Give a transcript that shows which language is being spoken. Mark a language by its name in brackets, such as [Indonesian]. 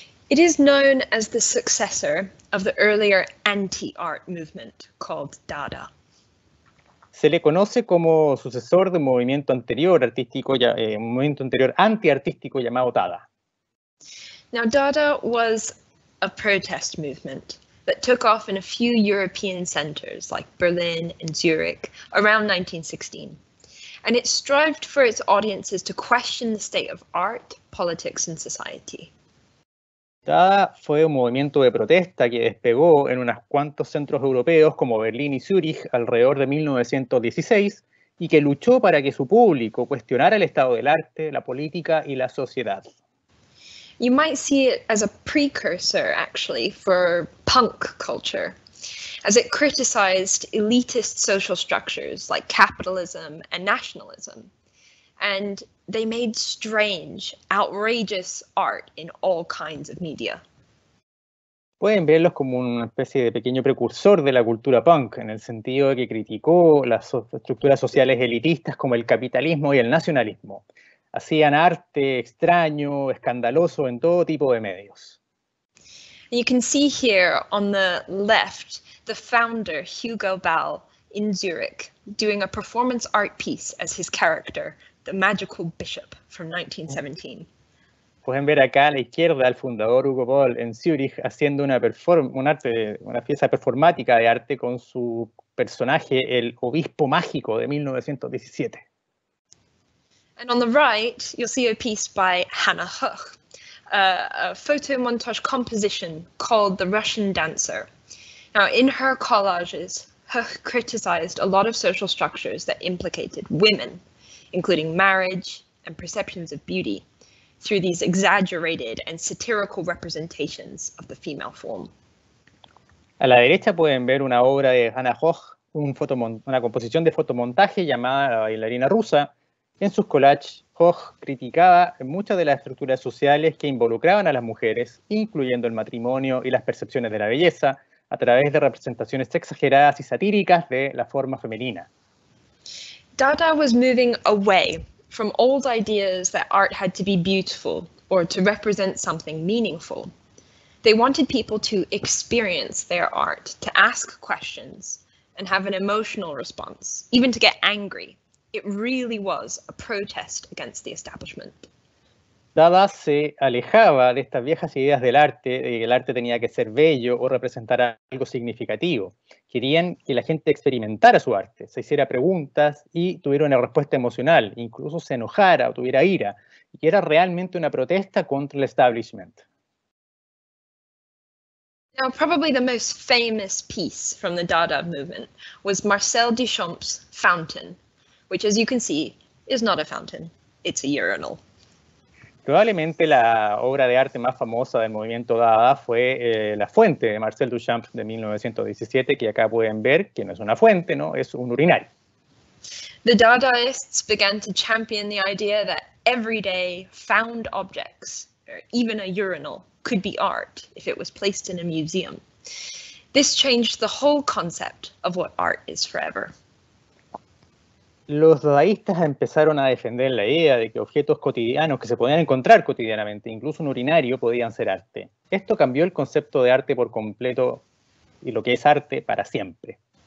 [English] It is known as the successor of the earlier anti-art movement called Dada. [Spanish] Se le conoce como sucesor de un movimiento anterior artístico, un movimiento anterior antiartístico llamado Dada. [English] Now, Dada was a protest movement that took off in a few European centers like Berlin and Zurich around 1916. And it strived for its audiences to question the state of art, politics and society. [Spanish] Dada fue un movimiento de protesta que despegó en unos cuantos centros europeos como Berlín y Zúrich alrededor de 1916 y que luchó para que su público cuestionara el estado del arte, la política y la sociedad. [English] You might see it as a precursor, actually, for punk culture. as it criticized elitist social structures like capitalism and nationalism. And they made strange, outrageous art in all kinds of media. [Spanish] Pueden verlos como una especie de pequeño precursor de la cultura punk, en el sentido de que criticó las estructuras sociales elitistas como el capitalismo y el nacionalismo. Hacían arte extraño, escandaloso en todo tipo de medios. [English] You can see here on the left the founder Hugo Ball in Zurich doing a performance art piece as his character, the magical bishop from 1917. [Spanish] Pueden ver acá a la izquierda al fundador Hugo Ball en Zurich haciendo una pieza performática de arte con su personaje, el obispo mágico de 1917. [English] And on the right, you'll see a piece by Hannah Hoch, a photo montage composition called The Russian Dancer. Now, in her collages, Hoch criticized a lot of social structures that implicated women, including marriage and perceptions of beauty, through these exaggerated and satirical representations of the female form. [Spanish] A la derecha pueden ver una obra de Hannah Hoch, una composición de fotomontaje llamada La bailarina rusa. En sus collages, Hoch criticaba muchas de las estructuras sociales que involucraban a las mujeres, incluyendo el matrimonio y las percepciones de la belleza, a través de representaciones exageradas y satíricas de la forma femenina. [English] Dada was moving away from old ideas that art had to be beautiful or to represent something meaningful. They wanted people to experience their art, to ask questions and have an emotional response, even to get angry. It really was a protest against the establishment. [Spanish] Dada se alejaba de estas viejas ideas del arte, de que el arte tenía que ser bello o representar algo significativo. Querían que la gente experimentara su arte, se hiciera preguntas y tuviera una respuesta emocional, incluso se enojara o tuviera ira, y que era realmente una protesta contra el establishment. [English] Now, probably the most famous piece from the Dada movement was Marcel Duchamp's Fountain, which, as you can see, is not a fountain, it's a urinal. [Spanish] Probablemente la obra de arte más famosa del movimiento Dada fue La Fuente de Marcel Duchamp de 1917, que acá pueden ver que no es una fuente, ¿no? Es un urinario. [English] The Dadaists began to champion the idea that everyday found objects, or even a urinal, could be art if it was placed in a museum. This changed the whole concept of what art is forever. [Spanish] Los dadaístas empezaron a defender la idea de que objetos cotidianos que se podían encontrar cotidianamente, incluso un urinario, podían ser arte. Esto cambió el concepto de arte por completo y lo que es arte para siempre.